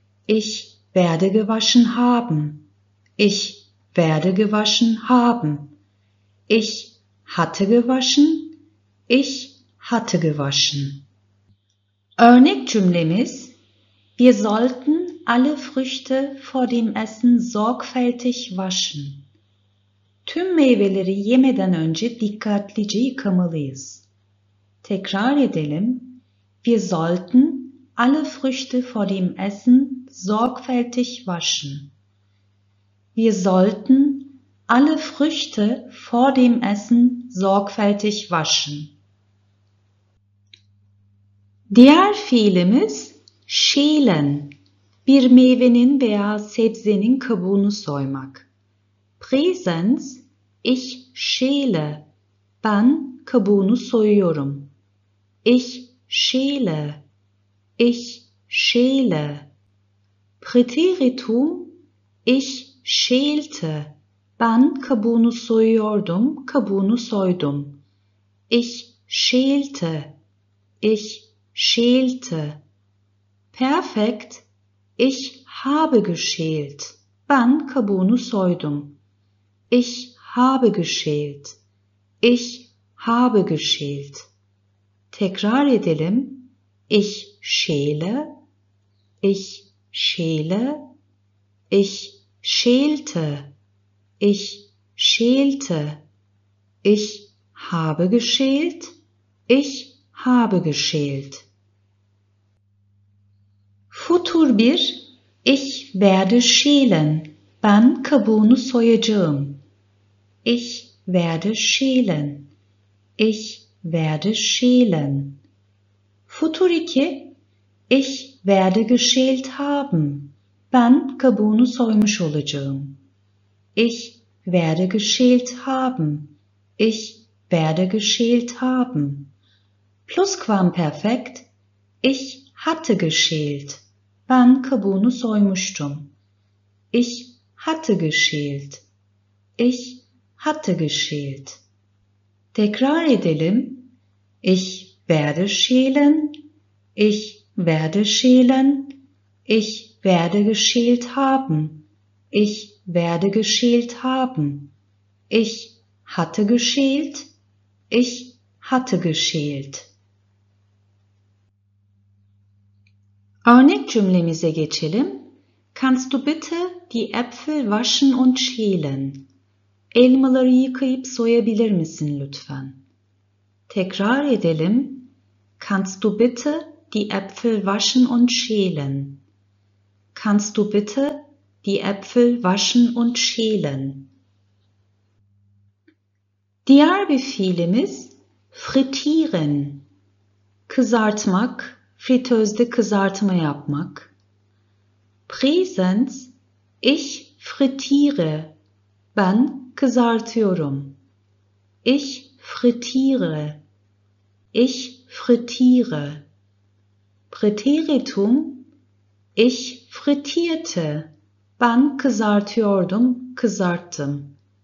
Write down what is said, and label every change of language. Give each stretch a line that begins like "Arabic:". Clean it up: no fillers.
German: Ich werde gewaschen haben. Ich werde gewaschen haben. Ich hatte gewaschen. Ich hatte gewaschen.
Turkish: Örnek cümlemiz:
German: Wir sollten alle Früchte vor dem Essen sorgfältig waschen.
Turkish: Tüm meyveleri yemeden önce dikkatlice yıkamalıyız. Tekrar edelim.
German: Wir sollten alle Früchte vor dem Essen sorgfältig waschen. Wir sollten alle Früchte vor dem Essen sorgfältig waschen.
Turkish: Diğer fiilimiz schälen, bir meyvenin veya sebzenin kabuğunu soymak.
German: Präsens, ich schäle,
Turkish: ben kabuğunu soyuyorum.
German: Ich schäle, ich schäle. Präteritum, ich schälte,
Turkish: ben kabuğunu soyuyordum, kabuğunu soydum.
German: Ich schälte, ich schälte. Perfekt, ich habe geschält,
Turkish: ben kabuğunu soydum.
German: Ich habe geschält, ich habe geschält.
Turkish: Tekrar edelim.
German: Ich schäle, ich schäle, ich schälte, ich schälte. Ich habe geschält, Ich habe geschält. Futur 1. Ich werde schälen.
Turkish: Ben kabuğunu soyacağım.
German: Ich werde schälen. Ich werde schälen. Futur 2. Ich werde geschält haben.
Turkish: Ben kabuğunu soymuş olacağım.
German: Ich werde geschält haben. Ich werde geschält haben. Plusquamperfekt. Ich hatte geschält.
Turkish: Ben kabuğunu soymuştum.
German: Ich hatte geschält. Ich hatte geschält.
Turkish: Tekrar edelim.
German: Ich werde schälen. Ich werde schälen. Ich werde geschält haben. Ich werde geschält haben. Ich hatte geschält. Ich hatte geschält.
Turkish: Örnek cümlemize geçelim.
German: Kannst du bitte die Äpfel waschen und schälen?
Turkish: Elmaları yıkayıp soyabilir misin lütfen? Tekrar edelim.
German: Kannst du bitte die Äpfel waschen und schälen? Kannst du bitte die Äpfel waschen und schälen?
Turkish: Diğer bir fiilimiz frittieren. Kızartmak, fritözde kızartma yapmak.
German: Präsens, ich frittiere.
Turkish: Ben kızartıyorum.
German: Ich frittiere. Ich frittiere. Präteritum, ich frittierte.
Turkish: Ben kızartıyordum, kızarttım.